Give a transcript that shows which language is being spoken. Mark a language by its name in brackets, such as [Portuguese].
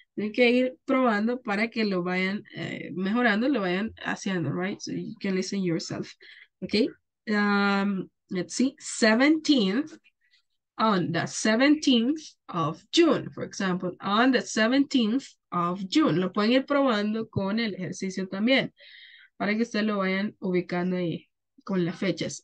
[Spanish] Tienen que ir probando para que lo vayan mejorando, lo vayan haciendo, right? [English] So you can listen yourself. Okay, let's see. 17th, on the 17th of June, for example, on the 17th of June. [Spanish] Lo pueden ir probando con el ejercicio también, para que ustedes lo vayan ubicando ahí con las fechas.